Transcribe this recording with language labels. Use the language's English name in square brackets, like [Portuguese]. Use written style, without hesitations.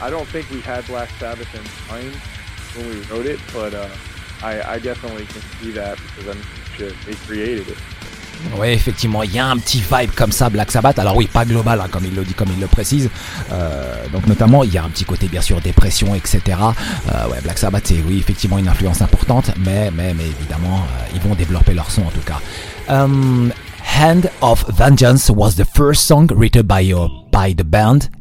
[English] I don't think we had Black Sabbath in mind when we wrote it, but I definitely can see that because I'm sure they created it. [French] Oui, effectivement, il y a un petit vibe comme ça, Black Sabbath. Alors oui, pas global, hein, comme il le dit, comme il le précise. Donc notamment, il y a un petit côté, bien sûr, dépression, etc. Ouais, Black Sabbath, c'est oui, effectivement, une influence importante, mais évidemment, ils vont développer leur son en tout cas. [English] Hand of Vengeance was the first song written by the band.